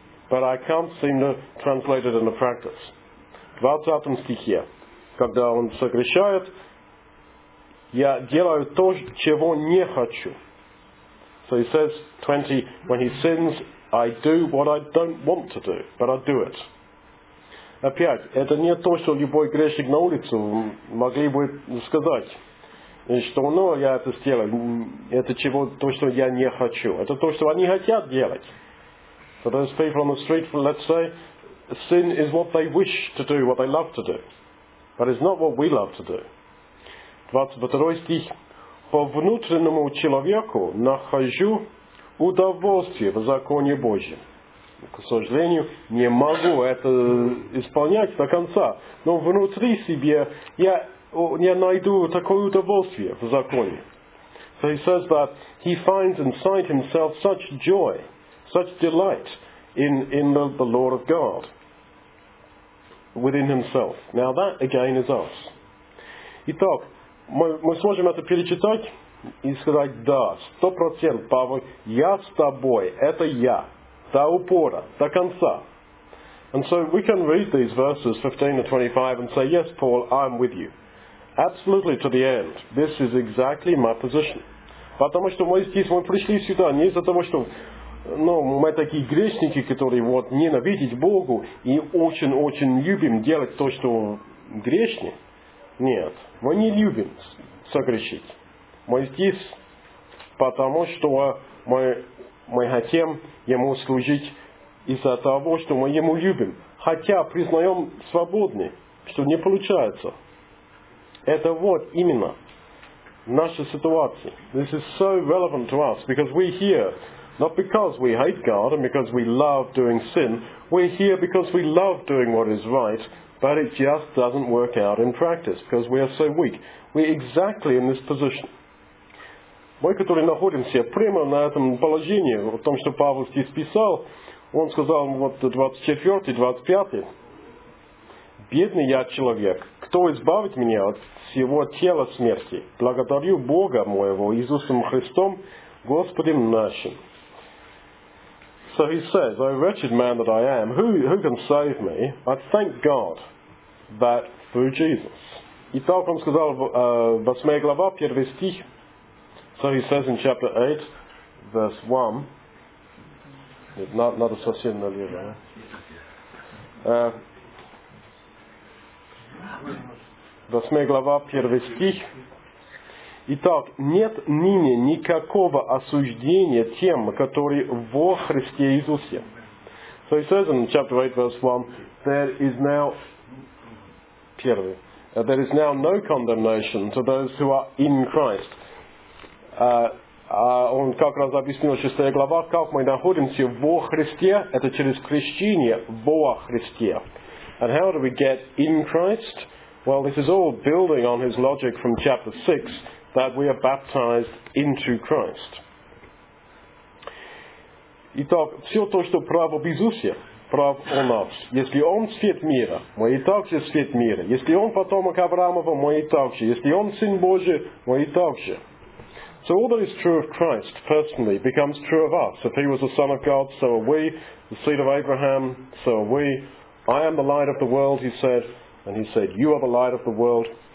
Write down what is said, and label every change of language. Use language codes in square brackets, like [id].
[en] But I can't seem to translate it into practice. [ru] В 20 стихе, когда он согрешает, я делаю то, чего не хочу. [en] So he says, 20, when he sins, I do what I don't want to do, but I do it. [ru] Опять, это не то, что любой грешник на улице могли бы сказать, что, ну, я это сделаю, это чего, то, что я не хочу. Это то, что они хотят делать. [en] So those people on the street, let's say, sin is what they wish to do, what they love to do. But it's not what we love to do. [ru] 22 стих. По внутреннему человеку нахожу удовольствие в законе Божьем. К сожалению, не могу это исполнять до конца. Но внутри себя я найду такое удовольствие в законе. [en] So he says that he finds inside himself such joy, such delight in the law of God. Within himself. Now that again is us. [ru] Итак, мы сможем это перечитать и сказать, да, 100%, Павел, я с тобой, это я, до упора, до конца. [en] And so we can read these verses 15 to 25 and say, yes, Paul, I'm with you. Absolutely to the end. This is exactly my position. [ru] Потому что мы здесь, мы пришли сюда, не из-за того, что ну, мы такие грешники, которые вот ненавидеть Богу и очень-очень любим делать то, что грешник. Нет, мы не любим согрешить. Мы здесь, потому что мы хотим Ему служить из-за того, что мы Ему любим. Хотя признаем свободны, что не получается. Это вот именно наша ситуация. [en] This is so relevant to us, because we're here not because we hate God and because we love doing sin. We're here because we love doing what is right. But it just doesn't work out in practice because we are so weak. We're exactly in this position. [ru] Мы, которые находимся прямо на этом положении, о том, что Павел здесь писал, он сказал, вот 24-25, «Бедный я человек, кто избавит меня от всего тела смерти? Благодарю Бога моего, Иисусом Христом, Господем нашим». [en] So he says, O wretched man that I am, who can save me? I thank God that through Jesus. [ru] Итак, он сказал, 8 глава, 1 стих. [en] So he says in chapter 8, verse 1. [ru] Надо совсем налево. Восьмая глава, 1 стих. Итак, нет ныне никакого осуждения тем, которые во Христе Иисусе. [en] So he says in chapter 8, verse 1, there is now no condemnation to those who are in Christ. [ru] Он как раз объяснил 6 глава, как мы находимся во Христе, это через крещение во Христе. [en] And how do we get in Christ? Well, this is all building on his logic from chapter 6, that we are baptized into Christ. [ru] Итак, все то, что прав об Иисусе, прав о нас. Если он свет мира, мы и так же свет мира. Если он потомок Авраамова, мы и так же. Если он Сын Божий, мы и так же. [en] So all that is true of Christ personally becomes true of us. If he was the Son of God, so are we. The seed of Abraham, so are we. I am the light of the world, he said. And he said, you are the light of the world.